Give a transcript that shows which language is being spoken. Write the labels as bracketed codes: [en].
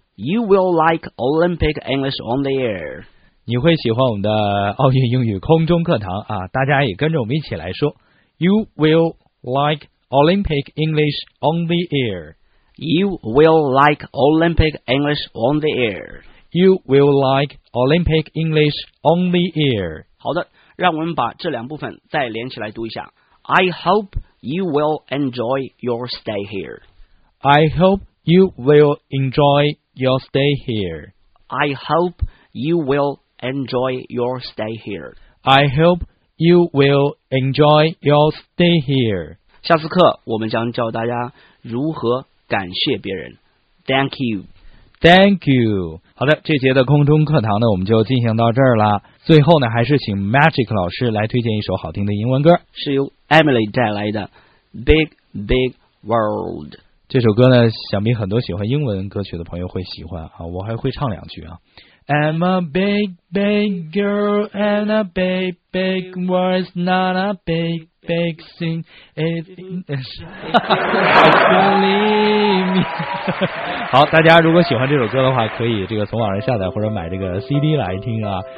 [en] You will like Olympic English on the air. [zh] 你会喜欢我们的奥运英语空中课堂啊！大家也跟着我们一起来说 [en] ，You will like Olympic English on the air. You will like Olympic English on the air. You will like Olympic English on the air. [zh] 好的，让我们把这两部分再连起来读一下。 [en] I hope you will enjoy your stay here. I hope you will enjoy your stay here. I hope you will enjoy your stay here. I hope you will enjoy your stay here. [zh] 下次课我们将教大家如何感谢别人。 [en] Thank you. Thank you. [zh] 好的，这节的空中课堂呢，我们就进行到这儿了。最后呢，还是请 Magic 老师来推荐一首好听的英文歌，是由 Emily 带来的 Big Big World。这首歌呢，想必很多喜欢英文歌曲的朋友会喜欢啊，我还会唱两句啊。 [en] I'm a big big girl and a big big world's not a big big thing. Believe me. [zh] 好，大家如果喜欢这首歌的话，可以这个从网上下载或者买这个 CD 来听啊。